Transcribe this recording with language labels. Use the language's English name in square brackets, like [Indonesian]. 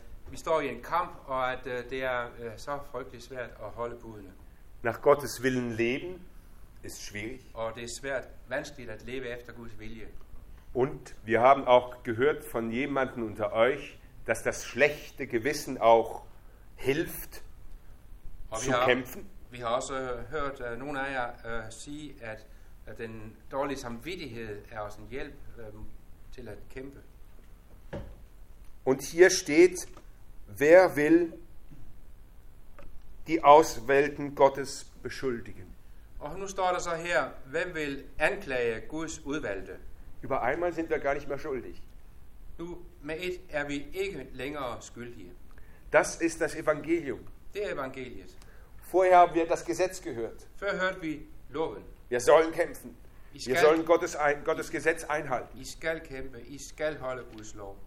[Danish] Vi står i en kamp, og at det er så frygteligt svært at holde budene. [German] Nach Gottes Willen leben ist schwierig. [Danish] Og det er svært, vanskeligt at leve efter Guds vilje. [German] Und wir haben auch gehört von jemanden unter euch, dass das schlechte Gewissen auch hilft zu kämpfen. [Danish] Vi har også hørt nogle af jer sige, at den dårlige samvittighed er også en hjælp til at kæmpe. [German] Und hier steht, wer will die Auserwählten Gottes beschuldigen? [Danish] Og nu står der så her, hvem vil anklage Guds udvalgte? [German] Über einmal sind wir gar nicht mehr schuldig. [Danish] Nu, med et er vi ikke længere skyldige. [German] Das ist das Evangelium. [Danish] Det er evangeliet. [German] Vorher haben wir das Gesetz gehört. [Danish] Før hørte vi loven. [German] Wir sollen kämpfen. Wir sollen Gottes Gesetz einhalten. [Danish] I skal kæmpe, I skal holde Guds lov.